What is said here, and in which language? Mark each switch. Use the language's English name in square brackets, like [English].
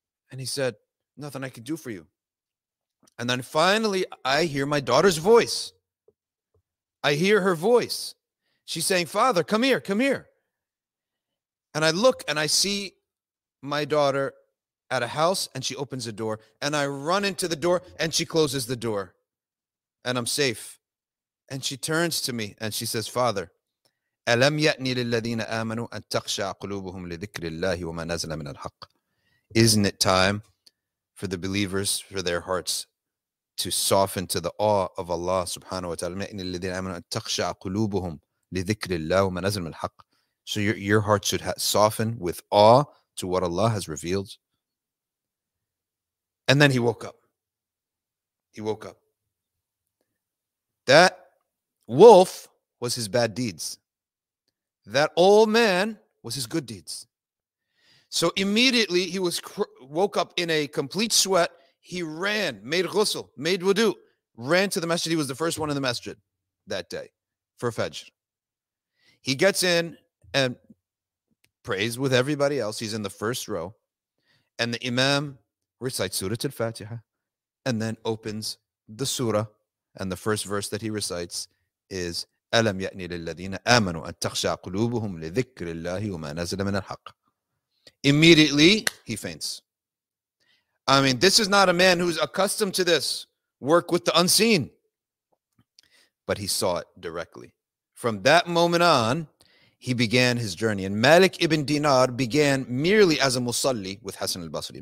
[English] And he said, nothing I can do for you. And then finally, I hear my daughter's voice. I hear her voice. She's saying, Father, come here, come here. And I look, and I see my daughter at a house, and she opens a door. And I run into the door, and she closes the door. And I'm safe. And she turns to me and she says, Father, [Arabic] أَلَمْ يَأْنِ لِلَّذِينَ آمَنُوا أَن تَخْشَعَ قُلُوبُهُمْ لِذِكْرِ اللَّهِ وَمَا نَزَلَ مِنَ الْحَقِّ. [English] Isn't it time for the believers, for their hearts, to soften to the awe of Allah subhanahu wa ta'ala? [Arabic] يَأْنِ لِلَّذِينَ آمَنُوا أَن تَخْشَعَ قُلُوبُهُمْ لِذِكْرِ اللَّهِ وَمَا نَزَلَ مِنَ الْحَقِّ. [English] So your heart should soften with awe to what Allah has revealed. And then he woke up. That wolf was his bad deeds. That old man was his good deeds. So immediately he was woke up in a complete sweat. He ran, made ghusl, made wudu, ran to the masjid. He was the first one in the masjid that day for Fajr. He gets in and prays with everybody else. He's in the first row. And the imam recites Surah Al-Fatiha and then opens the surah. And the first verse that he recites is [Arabic] أَلَمْ يَأْنِ لِلَّذِينَ آمَنُوا أَن تَخْشَعَ قُلُوبُهُمْ لِذِكْرِ اللَّهِ وَمَا نَزَلَ مِنَ الْحَقِّ. [English] Immediately, he faints. I mean, this is not a man who's accustomed to this work with the unseen. But he saw it directly. From that moment on, he began his journey. And Malik ibn Dinar began merely as a musalli with Hassan al-Basri.